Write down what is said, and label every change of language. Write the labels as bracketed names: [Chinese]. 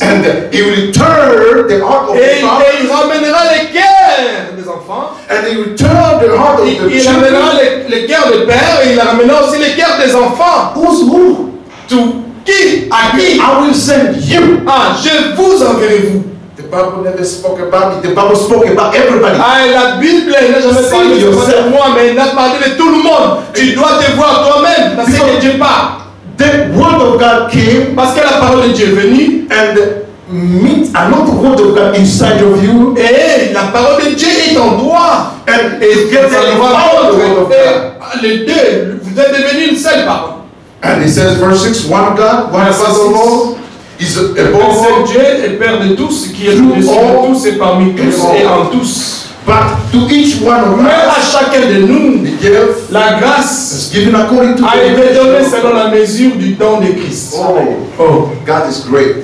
[English] And he will turn the heart of the father. [French] Et il ramènera les cœurs des enfants. [English] And he will turn the heart of the children. [French] Il ramènera les cœurs des pères et il ramènera aussi les cœurs des enfants. [English] Who's who? [French] To qui? À qui? [English] I will send you. [French] Ah, je vous enverrai vous. [English] The Bible never spoke about me. The Bible spoke about everybody. [French] Ah, la Bible n'a jamais parlé de moi, mais elle a parlé de tout le monde. Tu dois te voir toi-même, parce que Dieu parle. [English] The word of God came. [French] Parce que la parole de Dieu est venue. [English] And meet another word of God inside of you. [French] Eh, la parole de Dieu est en toi. [English] And it gets the word of God. [French] Les deux, vous êtes devenus une seule parole. [English] And it says verse 6, one God, one Father of all. Is above all, [French] Dieu est Père de tous, qui est au-dessus de tous et parmi tous et en tous. [English] But to each one of us, [French] à chacun de nous, la grâce [English] is given according to [French] a été donnée selon la mesure du don de Christ. [English] Oh, God is great.